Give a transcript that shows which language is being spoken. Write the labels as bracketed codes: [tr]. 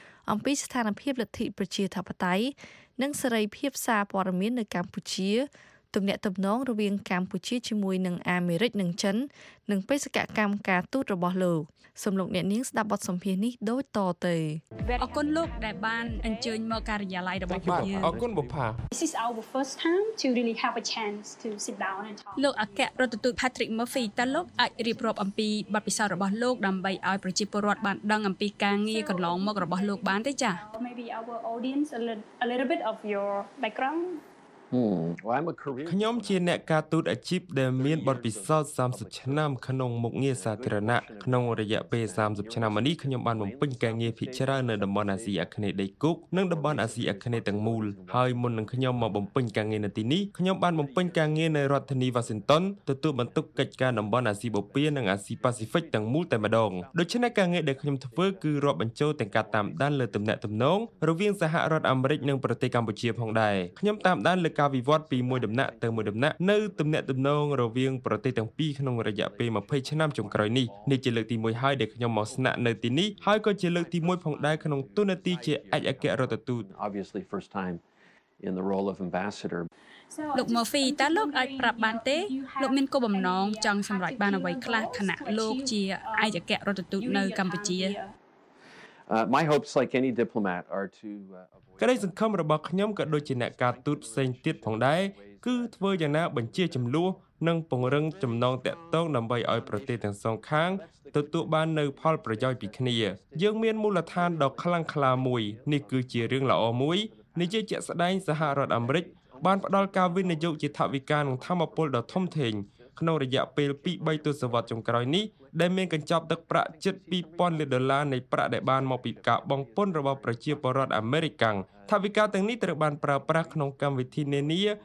[km] អំពីស្ថានភាពលទ្ធិប្រជាធិបតេយ្យនិងសេរីភាពសារព័ត៌មាននៅកម្ពុជាទំនាក់ទំនងរវាងកម្ពុជាជាមួយនឹងអាមេរិកនិងចិននិងបេសកកម្មការទូតរបស់លោកសំលោកអ្នកនាងស្ដាប់បទសម្ភាសន៍នេះដូចតទៅ អរគុណលោកដែលបានអញ្ជើញមកការិយាល័យរបស់យើង អរគុណបុប្ផា [en] This is our first time to really have a chance to sit down and talk [km] លោកអគ្គរដ្ឋទូត Patrick Murphy តើលោកអាចរៀបរាប់អំពីបទពិសោធន៍របស់លោកដើម្បីឲ្យប្រជាពលរដ្ឋបានដឹងអំពីការងារកន្លងមករបស់លោកបានទេចា [en] Maybe our audience a little bit of your background [km] ខ្ញុំជាអ្នកការទូតអាជីពដែលមានបទពិសោធន៍30ឆ្នាំក្នុងមុខងារសាធារណៈក្នុងរយៈពេល30ឆ្នាំមកនេះខ្ញុំបានបំពេញការងារភាគច្រើននៅតំបន់អាស៊ីអាគ្នេយ៍ដីគោកនិងតំបន់អាស៊ីអាគ្នេយ៍ទាំងមូល ហើយមុននឹងខ្ញុំមកបំពេញការងារនៅទីនេះខ្ញុំបានបំពេញការងារនៅរដ្ឋធានីវ៉ាស៊ីនតោនទទួលបន្ទុកកិច្ចការតំបន់អាស៊ីបូព៌ានិងអាស៊ីប៉ាស៊ីហ្វិកទាំងមូលតែម្ដងដូច្នេះការងារដែលខ្ញុំធ្វើគឺរាប់បញ្ចូលទាំងការតាមដានលើទំនាក់ទំនងរវាងសហរដ្ឋអាមេរិកនិងប្រទេសកម្ពុជាផងដែរខ្ញុំតាមដានការវិវត្តពីមួយដំណាក់ទៅមួយដំណាក់នៅទំនាក់ទំនងរវាងប្រទេសទាំងពីរក្នុងរយៈពេល20ឆ្នាំចុងក្រោយនេះនេះជាលើកទី1ហើយដែលខ្ញុំមកស្នាក់នៅទីនេះហើយក៏ជាលើកទី1ផងដែរក្នុងតួនាទីជាអគ្គរដ្ឋទូត [en] Obviously first time in the role of ambassador [km] លោក Murphy តើលោកអាចប្រាប់បានទេលោកមានគោលបំណងចង់សម្រេចបានអ្វីខ្លះខណៈលោកជាអគ្គរដ្ឋទូតនៅកម្ពុជា [en] My hopes like any diplomat are to [km] កិច្ចសង្គមរបស់ខ្ញុំក៏ដូចជាអ្នកការទូតផ្សេងទៀតផងដែរគឺធ្វើយ៉ាងណាបញ្ជាចំនួននិងពង្រឹងចំណងតាក់ទងដើម្បីឲ្យប្រទេសទាំងសងខាង ទទួលបាននូវផលប្រយោជន៍ពីគ្នាយើងមានមូលដ្ឋានដ៏ខ្លាំងក្លាមួយនេះគឺជារឿងល្អមួយនិយាយជាក់ស្ដែងសហរដ្ឋអាមេរិកបានផ្ដល់ការវិនិយោគជាថវិកានិងធម្មពលដ៏ធំធេងក្នុងរយៈពេល 2-3 ទសវត្សរ៍ចុងក្រោយនេះដែលមានកញ្ចប់ទឹកប្រាក់ជិត 2,000 លានដុល្លារនៃប្រាក់ដែលបានមកពីការបង់ពន្ធរបស់ប្រជាពលរដ្ឋអាមេរិកថវិកាទាំងនេះត្រូវបានប្រើប្រាស់ក្នុងកម្មវិធីនានា